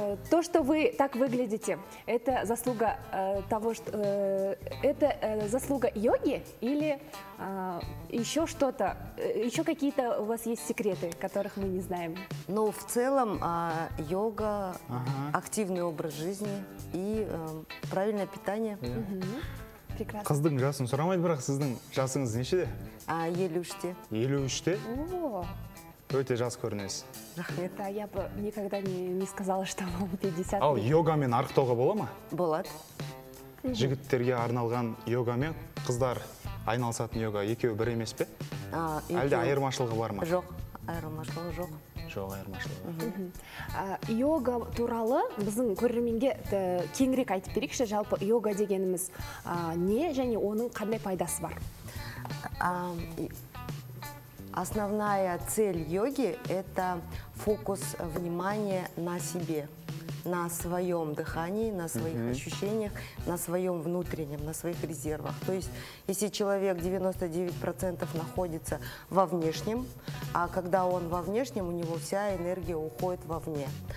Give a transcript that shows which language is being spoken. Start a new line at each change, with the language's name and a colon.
Russian: То, что вы так выглядите, это заслуга того, что это заслуга йоги или еще что-то? Еще какие-то у вас есть секреты, которых мы не знаем? Ну, в целом йога, активный образ жизни и правильное питание.
Kazakh: Қыздың жасын сұрамайды, бірақ сіздің жасыңыз нешеде? 53-те. 53-те? Ооо. Өте жас көрінесіз. Рахмет.
Russian: Я бы никогда не сказала, что вам 50.
Kazakh: Ал йогамен арықтауға бола ма? Болады. Жігіттерге арналған йогамен қыздар айналысатын йога екеуі бір емес пе? Әлде айырмашылығы бар ма? Жоқ, айырмашылығы жоқ. Жоқ, айырмашылығы. Йога туралы біздің көрерменге кеңірек айтып берейікші. Жалпы йога дегеніміз не және оның қандай пайдасы бар?
Russian: Основная цель йоги – это фокус внимания на себе, на своем дыхании, на своих ощущениях, на своем внутреннем, на своих резервах. То есть, если человек 99% находится во внешнем, а когда он во внешнем, у него вся энергия уходит вовне.